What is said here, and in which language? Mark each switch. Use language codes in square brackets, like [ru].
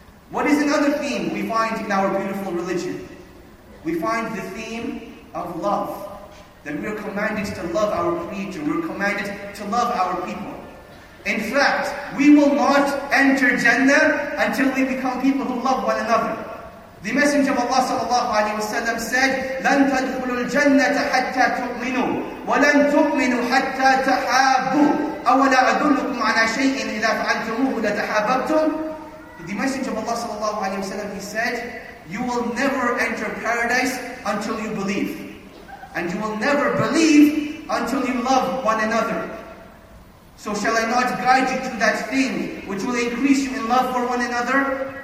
[en] What is another theme we find in our beautiful religion? We find the theme of love. That we are commanded to love our Creator, we are commanded to love our people. In fact, we will not enter Jannah until we become people who love one another. The Messenger of Allah sallallahu alayhi wa sallam said, [ar] لَن تَدْخُلُ الْجَنَّةَ حَتَّى تُؤْمِنُوا وَلَن تُؤْمِنُوا حَتَّى تَحَابُوا أَوَلَا أَدُلُّكُمْ عَلَى شَيْءٍ إِذَا فَعَلْتُمُوهُ لَتَحَابَبْتُمْ. [en] The Messenger of Allah sallallahu alayhi wa sallam, he said, you will never enter paradise until you believe. And you will never believe until you love one another. So shall I not guide you to that thing which will increase you in love for one another?